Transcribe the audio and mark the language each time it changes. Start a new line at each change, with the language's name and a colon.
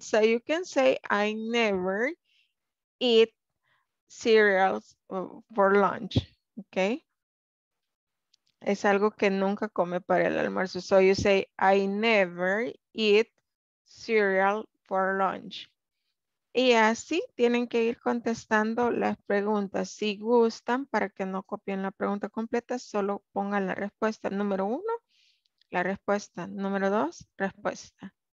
English: So you can say, I never eat cereals for lunch. Okay.
Spanish: Es algo que nunca come para el almuerzo.
English: So you say, I never eat cereal for lunch.
Spanish: Y así tienen que ir contestando las preguntas. Si gustan, para que no copien la pregunta completa, solo pongan la respuesta número uno, la respuesta número dos, respuesta.